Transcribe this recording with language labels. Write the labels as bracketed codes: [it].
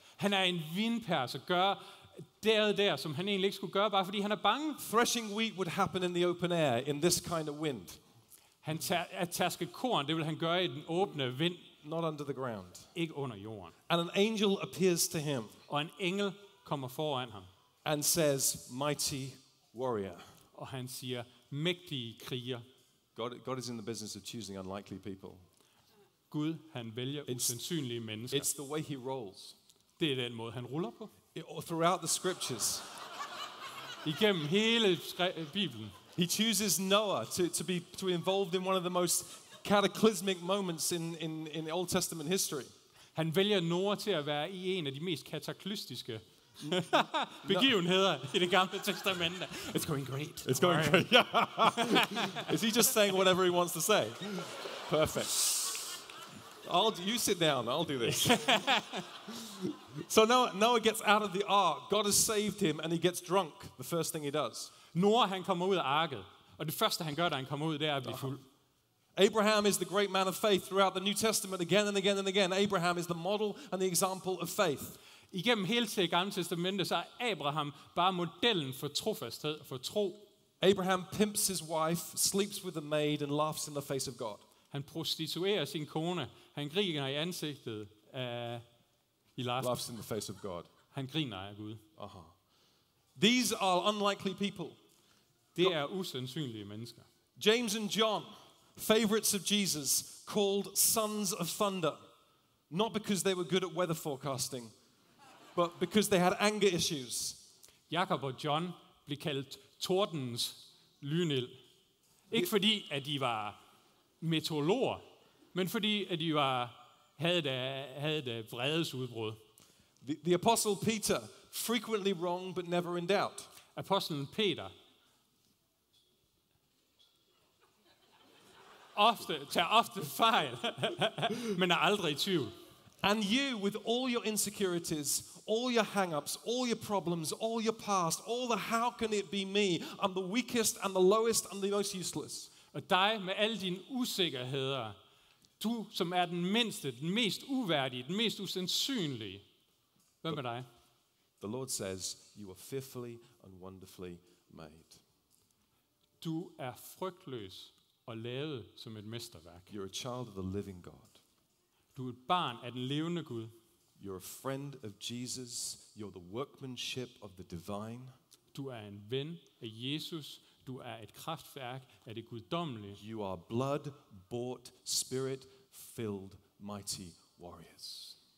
[da] Han er en vinpres og gør der som han egentlig ikke skulle gøre bare fordi han er bange. [en] Threshing wheat would happen in the open air in this kind of wind. [da] Han tærsker korn, det vil han gøre i den åbne vind. [en] Not under the ground. [da] Ikke under jorden. [en] And an angel appears to him. [da] Og en engel kommer foran ham. [en] And says, "Mighty warrior." [da] Og han siger, mægtige kriger. [en] God is in the business of choosing unlikely people. [da] Gud, han vælger usandsynlige mennesker. [en] It's the way he rolls. [da] Det er den måde han ruller på. [en] Throughout the scriptures. [da] Igennem hele Bibelen. [en] He chooses Noah to be involved in one of the most cataclysmic moments in Old Testament history. [da] Han vælger Noah til at være i en af de mest kataklystiske begivenheder i det gamle testamente. [en] It's going great. It's going great. Yeah. Is he just saying whatever he wants to say? Perfect. You sit down. I'll do this. So Noah gets out of the ark. God has saved him, and he gets drunk. The first thing he does. [da] Noah, han kommer ud af arket, og det første han gør, da han kommer ud, det er at blive fuld. [en] Abraham is the great man of faith throughout the New Testament, again and again and again. Abraham is the model and the example of faith. [da] Igennem hele det gamle testamente er Abraham bare modellen for trofasthed og for tro. [en] Abraham pimps his wife, sleeps with a maid, and laughs in the face of God. [da] Han prostituerer sin kone. Han griner i ansigtet af [en] laughs in the face of God. [da] Han griner af Gud. [en] Uh-huh. These are unlikely people. [da] Det er usandsynlige mennesker. [en] James and John, favorites of Jesus, called sons of thunder, not because they were good at weather forecasting, but because they had anger issues. [da] Jakob og John blev kaldt tordens lynild. Ikke fordi at de var meteorologer, men fordi at de var havde et vredesudbrud. [en] The apostle Peter, frequently wrong but never in doubt. [da] Apostlen Peter tager ofte fejl, men er aldrig i tvivl. [en] And you, with all your insecurities, all your hang-ups, all your problems, all your past, all the how can it be me, I'm the weakest and the lowest and the most useless. [da] Og dig med alle dine usikkerheder, du som er den mindste, den mest uværdige, den mest usandsynlige. Hvad med dig? [en] The Lord says, you are fearfully and wonderfully made. [da] Du er frygtløs og lavet som et mesterværk. [en] You're a child of the living God. [da] Du er et barn af den levende Gud. [en] You're a friend of Jesus. You're the workmanship of the divine. [da] Du er en ven af Jesus. Du er et kraftværk af det guddommelige. [en] You are blood-bought, spirit-filled, mighty warriors.